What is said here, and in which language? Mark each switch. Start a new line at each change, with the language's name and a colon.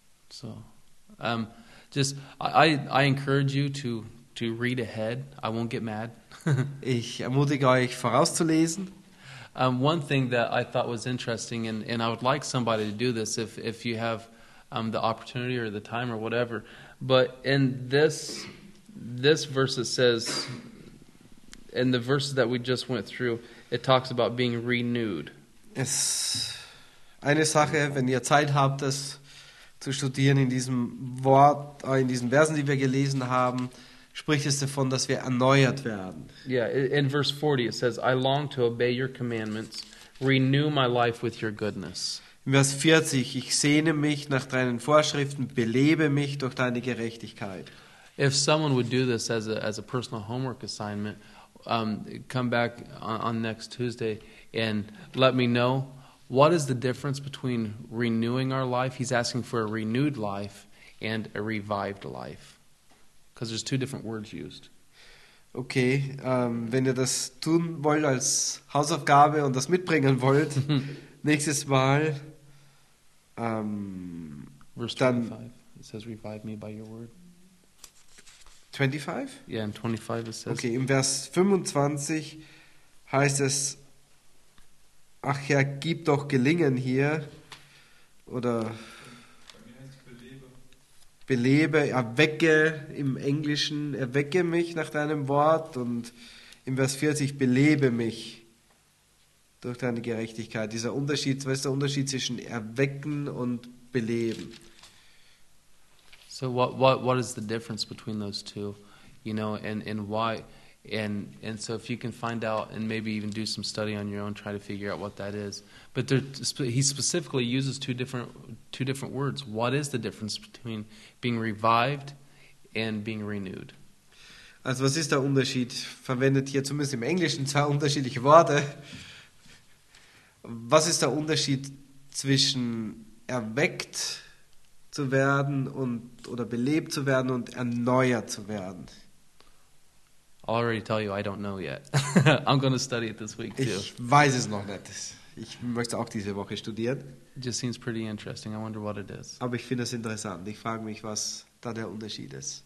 English: So, just I encourage you to read ahead. I won't get mad.
German: Ich ermutige euch, vorauszulesen.
English: One thing that I thought was interesting, and I would like somebody to do this if you have the opportunity or the time or whatever. But in this verse, it says, in the verses that we just went through, it talks about being renewed.
German: Es eine Sache, wenn ihr Zeit habt, das zu studieren, in diesem Wort, in diesen Versen, die wir gelesen haben, spricht es davon, dass wir erneuert werden.
English: Yeah, in verse 40 it says, I long to obey your commandments, renew my life with your goodness.
German: In Vers 40, ich sehne mich nach deinen Vorschriften, belebe mich durch deine Gerechtigkeit.
English: If someone would do this as a personal homework assignment, come back on next Tuesday and let me know, what is the difference between renewing our life? He's asking for a renewed life and a revived life. Because there's two different words used.
German: Okay, wenn ihr das tun wollt als Hausaufgabe und das mitbringen wollt, nächstes Mal,
English: Verse 25, it says, revive me by your word. 25? Yeah, in 25 it says.
German: Okay, im Vers 25 heißt es, ach Herr, gib doch Gelingen hier, oder belebe, erwecke im Englischen, erwecke mich nach deinem Wort, und im Vers 40, belebe mich durch deine Gerechtigkeit. Dieser Unterschied, was ist der Unterschied zwischen erwecken und beleben?
English: So what is the difference between those two, you know, and why? And so if you can find out and maybe even do some study on your own, try to figure out what that is. But he specifically uses two different words. What is the difference between being revived and being renewed?
German: Also was ist der Unterschied? Verwendet hier zumindest im Englischen zwei unterschiedliche Worte. Was ist der Unterschied zwischen erweckt zu werden und oder belebt zu werden und erneuert zu werden?
English: I'll already tell you, I don't know yet. I'm going to study it this week too.
German: Ich weiß es noch nicht. Ich möchte auch diese Woche studieren.
English: It just seems pretty interesting. I wonder what it is.
German: Aber ich finde es interessant. Ich frage mich, was da der Unterschied ist.